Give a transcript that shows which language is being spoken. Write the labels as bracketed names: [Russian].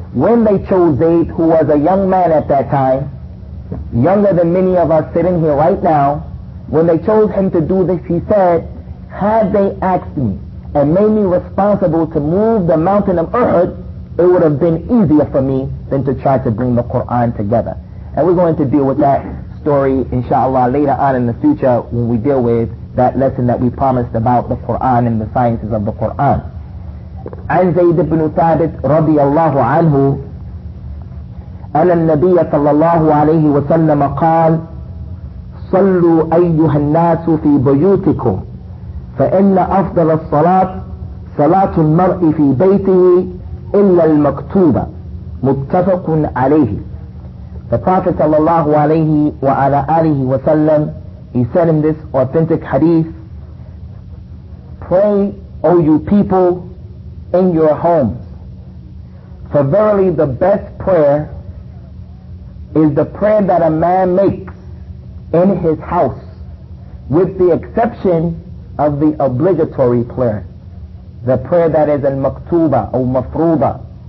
[English] When they chose Zayd, who was a young man at that time, younger than many of us sitting here right now, when they chose him to do this, he said, had they asked me and made me responsible to move the mountain of Uhud, it would have been easier for me than to try to bring the Quran together. And we're going to deal with that story, inshallah, later on in the future when we deal with that lesson that we promised about the Quran and the sciences of the Quran. [Arabic] عن زيد بن ثابت رضي الله عنه أن النبي صلى الله عليه وسلم قال صلوا أيها الناس في بيوتكم فإن أفضل الصلاة صلاة المرء في بيته إلا المكتوبة متفق عليه. [English] The Prophet [Arabic] صلى الله عليه وعلى آله وسلم, [English] he said in this authentic hadith, pray, O you people, in your homes. For verily the best prayer is the prayer that a man makes in his house, with the exception of the obligatory prayer, the prayer that is in maktuba or mafruba.